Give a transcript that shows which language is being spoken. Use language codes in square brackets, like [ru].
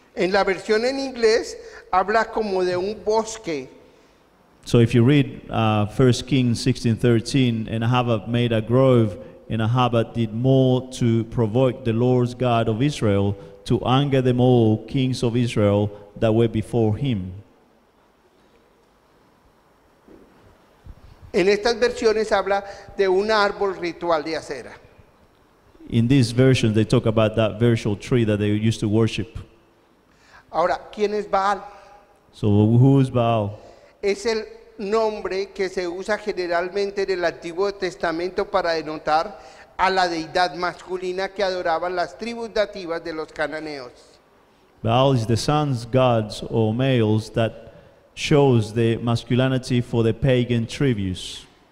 [es] En la versión en inglés habla como de un bosque. [en] So if you read 1 Kings 16:13, and Ahab made a grove, and Ahab did more to provoke the Lord God of Israel to anger them all kings of Israel that were before him. [es] En estas versiones habla de un árbol ritual de acera. [en] In these versions, they talk about that virtual tree that they used to worship. [es] Ahora, ¿quién es Baal? [en] So, who is Baal? [es] Es el nombre que se usa generalmente en el Antiguo Testamento para denotar a la deidad masculina que adoraban las tribus nativas de los cananeos. [en] Baal is the sun's gods or males that shows the masculinity for the pagan tributes.